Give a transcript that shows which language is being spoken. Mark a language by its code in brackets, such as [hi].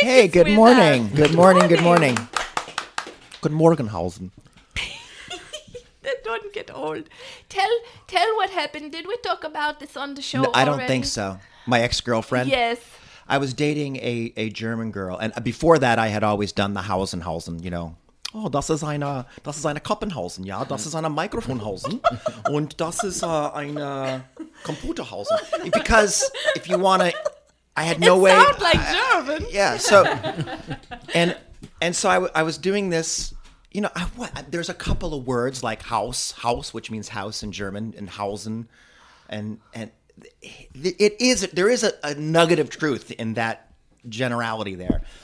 [en] Hey, good morning. Good morning. Good morning. Good morning, Howlsen. Don't get old. Tell what happened. Did we talk about this on the show? No, I don't think so. My ex-girlfriend? Yes. I was dating a German girl. And before that, I had always done the Hausenhausen, you know. [de] Oh, das ist eine Kappenhausen, ja. Das ist eine Mikrofonhausen. Und das ist eine Computerhausen. [en] Because if you want to, I had no it way. It sounds like German. Yeah, so. And so I was doing this. You know, there's a couple of words like Haus, which means house in German, and Hausen, and there is a nugget of truth in that generality there.